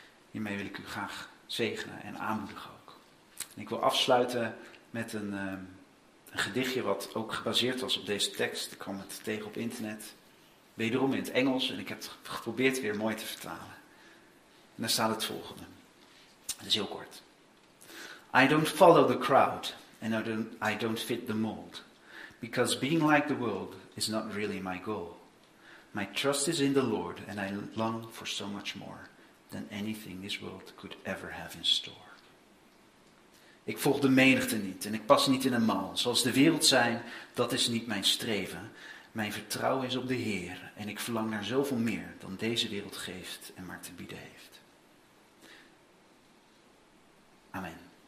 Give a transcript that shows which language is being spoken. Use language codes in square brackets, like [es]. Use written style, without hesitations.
[nl] Hiermee wil ik u graag zegenen en aanmoedigen ook. En ik wil afsluiten met een gedichtje wat ook gebaseerd was op deze tekst. Ik kwam het tegen op internet. Wederom in het Engels en ik heb het geprobeerd weer mooi te vertalen. En daar staat het volgende. Het is heel kort. [en] I don't follow the crowd and I don't fit the mold. Because being like the world is not really my goal. My trust is in the Lord and I long for so much more than anything this world could ever have in store. [nl] Ik volg de menigte niet en ik pas niet in een mal. Zoals de wereld zijn, dat is niet mijn streven. Mijn vertrouwen is op de Heer en ik verlang naar zoveel meer dan deze wereld geeft en maar te bieden heeft. Amen.